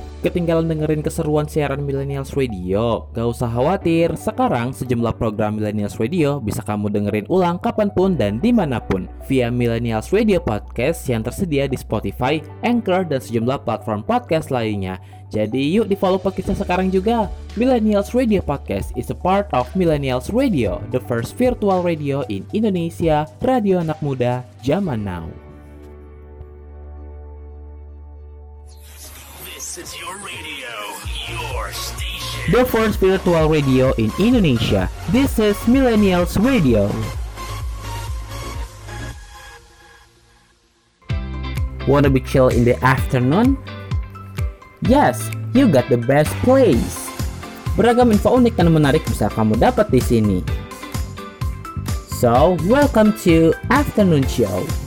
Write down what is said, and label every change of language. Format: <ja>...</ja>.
<id>Ketinggalan dengerin keseruan siaran Millennials Radio? Gak usah khawatir, sekarang sejumlah program Millennials Radio bisa kamu dengerin ulang kapanpun dan dimanapun via Millennials Radio Podcast yang tersedia di Spotify, Anchor, dan sejumlah platform podcast lainnya. Jadi yuk di follow podcastnya sekarang juga.</id> <en>Millennials Radio Podcast is a part of Millennials Radio, the first virtual radio in Indonesia,</en> <id>radio anak muda, zaman now.</id> <en>The first virtual radio in Indonesia. This is Millennials Radio. Wanna be chill in the afternoon? Yes, you got the best place.</en> <id>Beragam info unik dan menarik bisa kamu dapat di sini.</id> <en>So, welcome to Afternoon Show.</en>